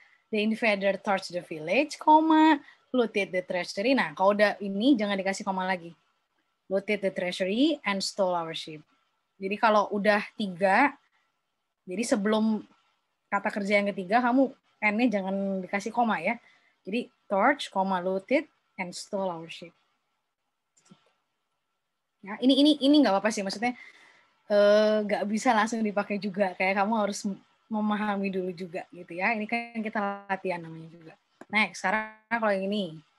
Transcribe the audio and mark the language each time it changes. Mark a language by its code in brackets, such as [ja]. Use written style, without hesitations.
[en] The invader torched the village, comma, looted the treasury. [id] Nah, kalau udah ini jangan dikasih koma lagi. [en] Looted the treasury and stole our ship. [id] Jadi kalau udah tiga, jadi sebelum kata kerja yang ketiga, kamu N-nya jangan dikasih koma ya. [en] Jadi torch, koma looted, and stole our ship. [id] Nah, ini nggak apa-apa sih, maksudnya nggak bisa langsung dipakai juga. Kayak kamu harus memahami dulu juga gitu ya. Ini kan kita latihan namanya juga. Next, sekarang kalau yang ini.